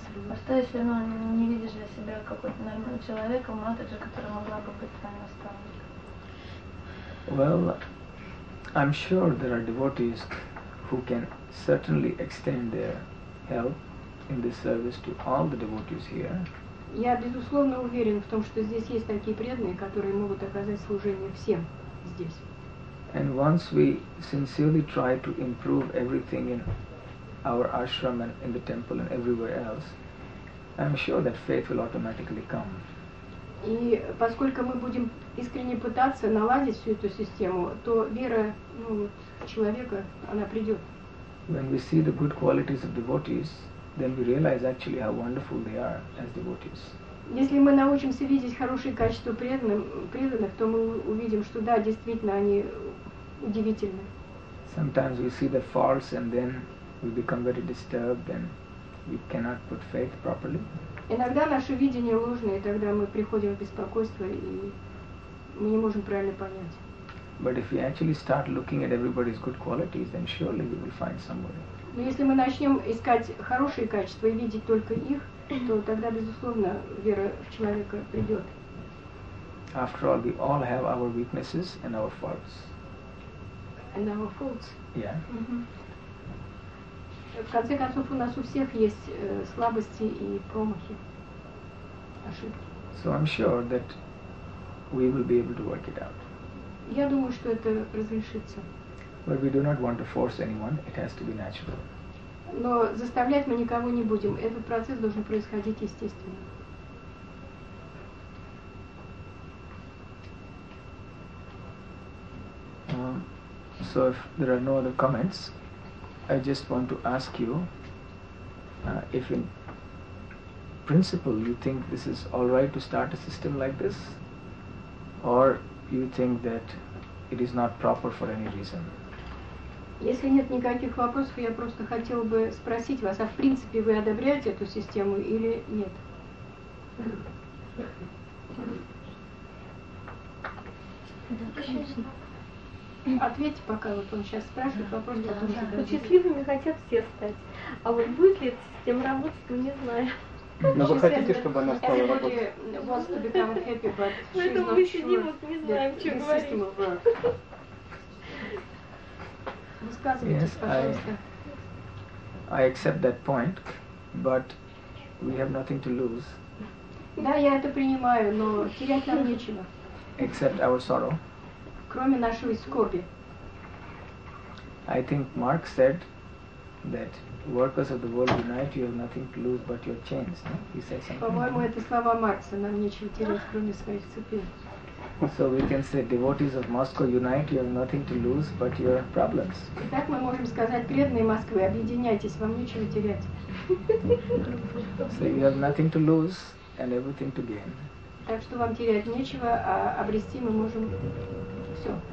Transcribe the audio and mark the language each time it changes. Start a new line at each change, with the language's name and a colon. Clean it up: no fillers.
Russian: А что если не видишь для себя какого-то нормального человека, Mataji, которая могла бы быть твоим наставником?
English: Well, I'm sure there are devotees who can certainly extend their help in this service to all the devotees here.
Russian: Я безусловно уверен в том, что здесь есть такие преданные, которые могут оказать служение всем здесь.
English: And once we sincerely try to improve everything in our ashram and in the temple and everywhere else, I'm sure that faith will automatically come.
Russian: И поскольку мы будем искренне пытаться наладить всю эту систему, то вера, ну, человека, она придет.
English: When we see the good qualities of devotees, then we realize actually how wonderful they are as devotees.
Russian: Если мы научимся видеть хорошие качества преданных, то мы увидим, что да, действительно, они удивительны.
English: Sometimes we see the faults and then we become very disturbed and we cannot put faith properly.
Russian: Иногда наше видение ложное, и тогда мы приходим в беспокойство, и мы не можем правильно понять.
English: But if we actually start looking at everybody's good qualities, then surely we will find somebody.
Russian: Но если мы начнем искать хорошие качества и видеть только их, то тогда, безусловно, вера в человека придет.
English: After all, we all have our weaknesses and our faults. And our faults. Yeah.
Russian: В конце концов, у нас у всех есть слабости и промахи, ошибки.
English: So I'm sure that we will be able to work it out.
Russian: Я думаю, что это разрешится.
English: But we do not want to force anyone, it has to be natural.
Russian: Но заставлять мы никого не будем. Этот процесс должен происходить естественно.
English: So if there are no other comments, I just want to ask you if in principle you think this is all right to start a system like this, or you think that it is not proper for any reason.
Russian: Если нет никаких вопросов, я просто хотел бы спросить вас, а в принципе вы одобряете эту систему или нет? Ответьте пока, вот он сейчас спрашивает, вопрос да, потом задавайте. Да. Счастливыми хотят все стать, а вот будет ли эта система работать, мы не знаем. Но вы хотите, чтобы она стала работать?
English: Everybody wants to become happy, but she is not sure.
Russian: Мы сидим, вот не знаем, что говорить. Система Высказывайтесь,
English: yes,
Russian: пожалуйста.
English: I accept that point, but we have nothing to lose.
Russian: Да, я это принимаю, но терять нам нечего.
English: Except our sorrow.
Russian: Кроме нашей скорби.
English: I think Marx said that workers of the world unite, you have nothing to lose but your chains. No? He said something.
Russian: По-моему, это слова Маркса, нам нечего терять, кроме своих цепей.
English: So we can say, devotees of Moscow unite, you have nothing to lose but your problems.
Russian: Итак, мы можем сказать, преданные Москвы, объединяйтесь, вам нечего терять.
English: So you have nothing to lose and everything to gain.
Russian: Так что вам терять нечего, а обрести мы можем все.